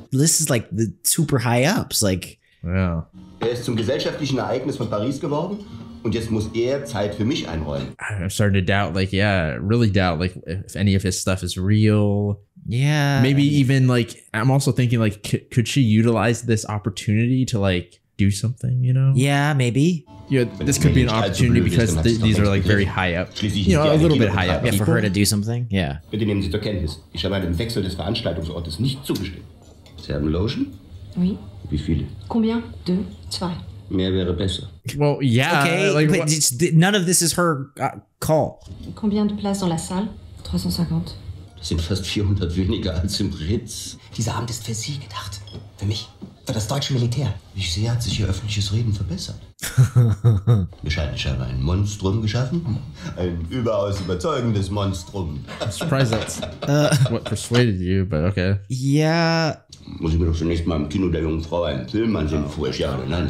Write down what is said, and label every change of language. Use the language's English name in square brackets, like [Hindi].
[English] This is like the super high ups, like. Yeah. [German] Er ist zum gesellschaftlichen Ereignis von Paris geworden. Und jetzt muss Zeit für mich einräumen. [English] I'm starting to doubt, like, yeah, really doubt, like, if any of his stuff is real. Yeah. Maybe even, like, I'm also thinking, like, could she utilize this opportunity to, like, do something, you know? Yeah, maybe. Yeah, this could be an opportunity because these are, like, very high up. You know, a little bit high up. Yeah, for her to do something, yeah. [German] Bitte nehmen Sie zur Kenntnis. Ich habe einen Wechsel des Veranstaltungsortes nicht zugestimmt. Sie haben Lotion? [French] Oui. [German] Wie viele? [French] Combien? Deux? Zwei. [German] Mehr wäre besser. [English] Well, yeah. Okay, like, but none of this is her call. [French] Combien de places dans la salle? 350. [German] Das sind fast 400 weniger als im Ritz. Dieser Abend ist für Sie gedacht. Für mich. Für das deutsche Militär. Ich sehe, hat sich Ihr öffentliches Reden verbessert. Wir scheinen scheinbar ein Monstrum geschaffen. Ein überaus überzeugendes Monstrum. [English] I'm surprised that's what persuaded you, but okay. Yeah. [German] Muss ich mir doch zunächst mal im Kino der jungen Frau einen Film ansehen, bevor ich ja oder nein